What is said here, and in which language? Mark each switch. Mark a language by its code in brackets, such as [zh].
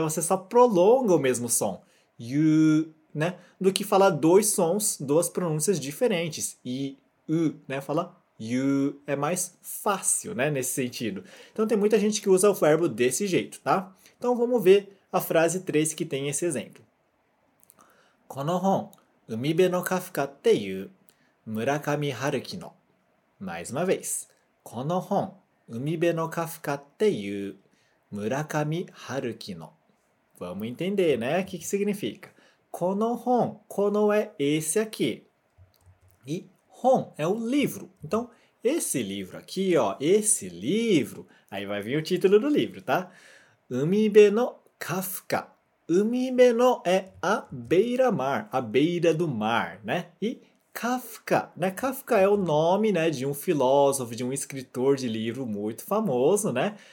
[pt] Você só prolonga o mesmo som. You, né? Do que falar dois sons, duas pronúncias diferentes. I, u, né? Falar you é mais fácil, né? Nesse sentido. Então, tem muita gente que usa o verbo desse jeito, tá? Então, vamos ver a frase 3 que tem esse exemplo. [ja] この本、海辺のカフカっていう村上春樹の。 [pt] Mais uma vez。 [ja] この本、海辺のカフカっていう村上春樹の。 [pt] Vamos entender, né? O que que significa? [ja] この本、このはこの [pt] esse aqui. E 本 é o livro. Então, esse livro aqui, ó, esse livro, aí vai vir o título do livro, tá? [ja] 海辺のカフカ。海辺の [pt] é a beira-mar, a beira do mar, né? E Kafka, né? Kafka é o nome, né, de um filósofo, de um escritor de livro muito famoso, né?